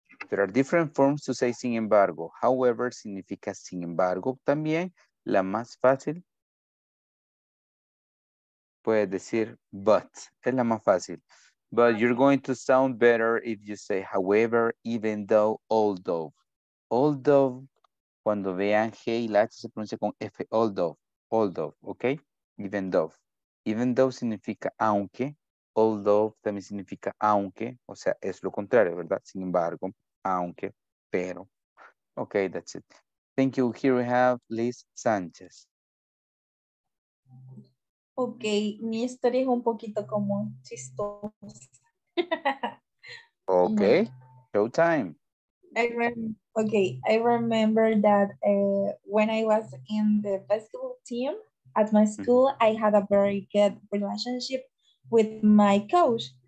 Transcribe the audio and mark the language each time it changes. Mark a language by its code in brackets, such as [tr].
[en] There are different forms to say sin embargo. [es] However significa sin embargo también. La más fácil. Puede decir, but. Es la más fácil. [en] But you're going to sound better if you say, however, even though, although. [es] Although, cuando vean G y la H se pronuncia con F. [en] Although, although, okay? Even though. [es] Even though significa aunque, although también significa aunque, o sea, es lo contrario, ¿verdad? Sin embargo, aunque, pero. [en] Okay, that's it. Thank you. Here we have Liz Sanchez. [es] Okay, mi historia es un poquito como chistosa. [en] Okay, showtime. I remember that when I was in the basketball team, at my school, I had a very good relationship with my coach.